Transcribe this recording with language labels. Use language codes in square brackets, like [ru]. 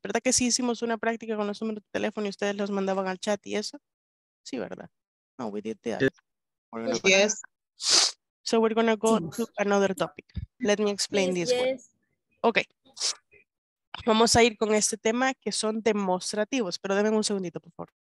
[es] ¿Verdad que sí hicimos una práctica con los números de teléfono y ustedes los mandaban al chat y eso? Sí, ¿verdad? No, [en] we did that. Yes. So we're going to go to another topic. Let me explain this one. Ok. [es] Vamos a ir con este tema que son demostrativos, pero denme un segundito, por favor.